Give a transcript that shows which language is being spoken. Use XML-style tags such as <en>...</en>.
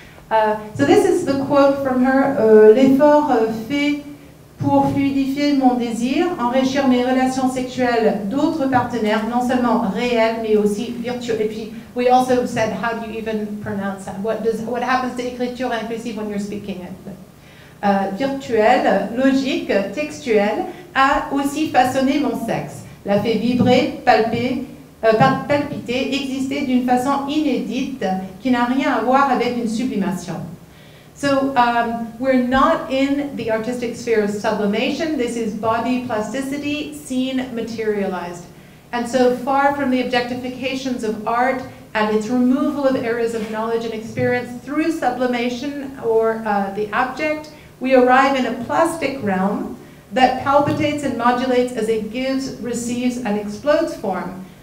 <en>So this is the quote from her,</en> <fr>l'effort fait pour fluidifier mon désir, enrichir mes relations sexuelles d'autres partenaires, non seulement réels, mais aussi virtuels. Et puis,</fr> <en>we also said, how do you even pronounce that? What happens to écriture inclusive when you're speaking it?</en> <fr>Virtuel, logique, textuel, a aussi façonné mon sexe, l'a fait vibrer, palper, palpiter, exister d'une façon inédite qui n'a rien à voir avec une sublimation.</fr> <en>So we're not in the artistic sphere of sublimation. This is body plasticity, seen, materialized. And so far from the objectifications of art and its removal of areas of knowledge and experience through sublimation or the abject, we arrive in a plastic realm that palpitates and modulates as it gives, receives, and explodes form.</en>